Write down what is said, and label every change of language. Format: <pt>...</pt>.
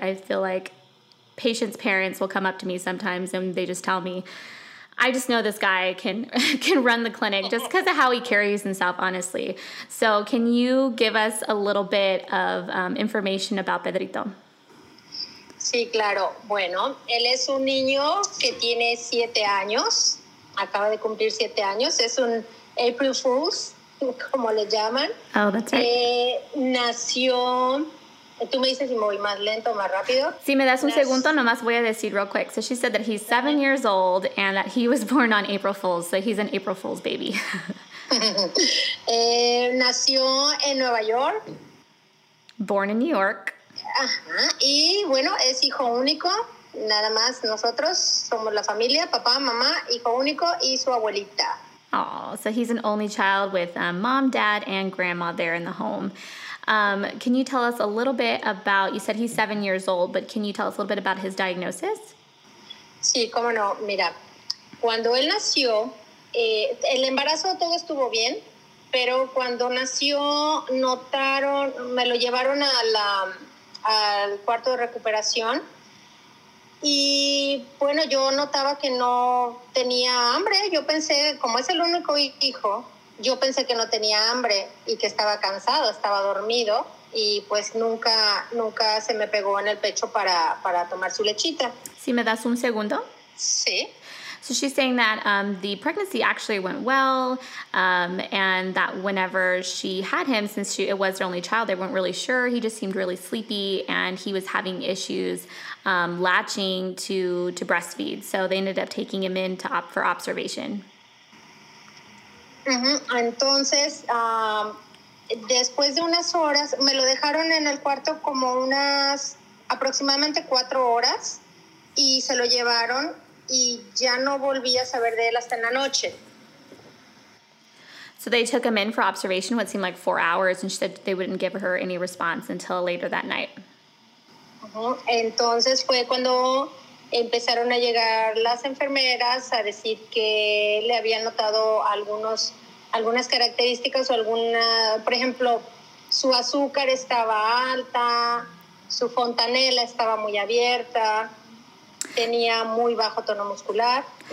<en>I feel like patients' parents will come up to me sometimes and they just tell me, I just know this guy can run the clinic just because of how he carries himself, honestly. So can you give us a little bit of information about Pedrito?</en> <es>Sí, claro. Bueno, él es un niño que tiene 7 años. Acaba de cumplir 7 años. Es un April Fool's, como le llaman.</es> <en>Oh, that's right.</en> <es>Nació... Tú me dices si me voy más lento o más rápido. Si me das un segundo, nomás voy a decir</es> <en>real quick. So she said that he's 7 years old and that he was born on April Fool's. So he's an April Fool's baby.</en> <es>nació en Nueva York.</es> <en>Born in New York.</en> <es>Ajá. Y bueno, es hijo único. Nada más nosotros somos la familia. Papá, mamá, hijo único y su abuelita.</es> <en>Oh, so he's an only child with mom, dad, and grandma there in the home. Can you tell us a little bit about, you said he's 7 years old, but can you tell us a little bit about his diagnosis?</en> <es>Sí, cómo no. Mira, cuando él nació, el embarazo todo estuvo bien, pero cuando nació notaron, me lo llevaron al cuarto de recuperación y bueno, yo notaba que no tenía hambre. Yo pensé, como es el único hijo... Yo pensé que no tenía hambre y que estaba cansado, estaba dormido y pues nunca se me pegó en el pecho para tomar su lechita. ¿Sí me das un segundo? Sí.</es> <en>So she's saying that the pregnancy actually went well and that whenever she had him, since it was her only child, they weren't really sure. He just seemed really sleepy and he was having issues latching to breastfeed. So they ended up taking him in for observation.</en> <es>Entonces, después de unas horas, me lo dejaron en el cuarto como unas aproximadamente 4 horas y se lo llevaron y ya no volví a saber de él hasta en la noche.</es> <en>So they took him in for observation, what seemed like 4 hours, and she said they wouldn't give her any response until later that night.</en> <es>Entonces fue cuando empezaron a llegar las enfermeras a decir que le habían notado algunas características o alguna, por ejemplo, su azúcar estaba alta, su fontanela estaba muy abierta, tenía muy bajo tono muscular.</es>